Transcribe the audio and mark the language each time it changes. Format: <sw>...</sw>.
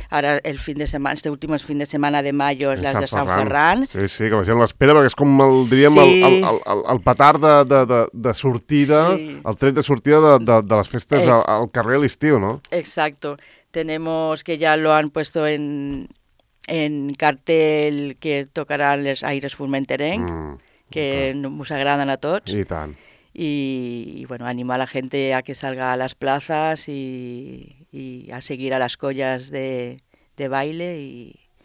<es>Ara, el fin de semana, este último fin de semana de mayo, es las de San Ferran.</es> <ca>Sí, sí, que la gent l'espera, perquè és com el, diríem, sí. el petard de sortida, sí. El tret de sortida de les festes al carrer a l'estiu, no?</ca> <es>Exacto. Tenemos que ya lo han puesto en cartel que tocarán les Aires Formenterenc, que nos agraden a tots.</es> <ca>I tant.</ca> <es>Y bueno, anima a la gente a que salga a las plazas y a seguir a las collas de baile y...</es>